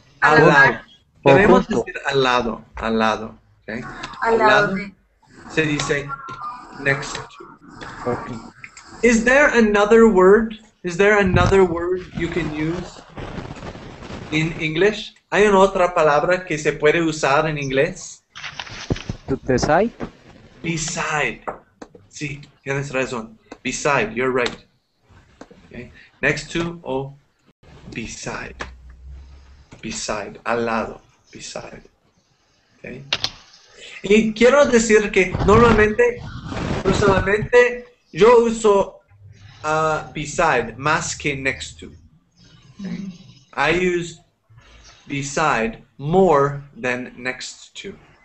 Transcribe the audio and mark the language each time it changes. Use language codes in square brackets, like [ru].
[es] Al lado. Podemos decir al lado. Al lado. Okay. Al lado. [en] Se dice next to. Okay. Is there another word? Is there another word you can use in English? [es] ¿Hay una otra palabra que se puede usar en inglés? [en] Beside. Beside. Sí, tienes razón. Beside, you're right. Okay. Next to o beside. Beside. Al lado. Beside. Okay. [es] Y quiero decir que normalmente, personalmente, yo uso beside más que next to. [en] Okay. I use beside more than next to.